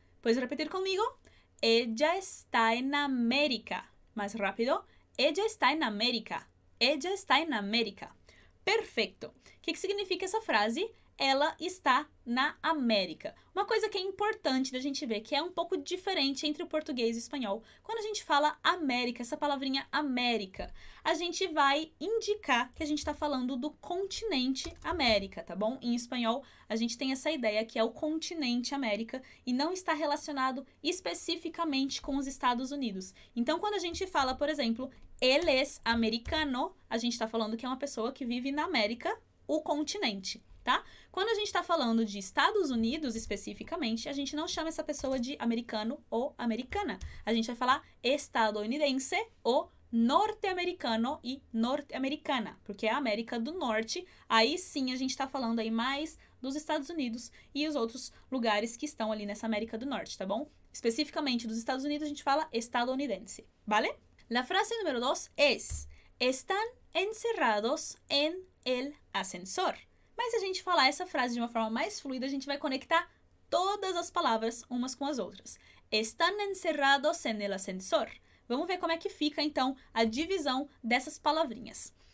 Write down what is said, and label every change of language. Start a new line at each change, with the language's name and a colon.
Spanish: Puedes repetir conmigo? Ella está en América. Más rápido. Ella está en América. Ella está en América. Perfecto. ¿Qué significa esa frase?
Portuguese: Ela está na América. Uma coisa que é importante da gente ver, que é um pouco diferente entre o português e o espanhol, quando a gente fala América, essa palavrinha América, a gente vai indicar que a gente está falando do continente América, tá bom? Em espanhol, a gente tem essa ideia que é o continente América e não está relacionado especificamente com os Estados Unidos. Então, quando a gente fala, por exemplo,
Spanish: él es americano,
Portuguese: a gente está falando que é uma pessoa que vive na América, o continente. Tá? Quando a gente está falando de Estados Unidos especificamente, a gente não chama essa pessoa de americano ou americana. A gente vai falar estadunidense ou norte-americano e norte-americana, porque é a América do Norte. Aí sim a gente está falando aí mais dos Estados Unidos e os outros lugares que estão ali nessa América do Norte, tá bom? Especificamente dos Estados Unidos a gente fala estadunidense, vale?
Spanish: La frase número 2 es: están encerrados en el ascensor.
Portuguese: Mas se a gente falar essa frase de uma forma mais fluida, a gente vai conectar todas as palavras umas com as outras.
Spanish: Están encerrados en el ascensor.
Portuguese: Vamos ver como é que fica, então, a divisão dessas palavrinhas.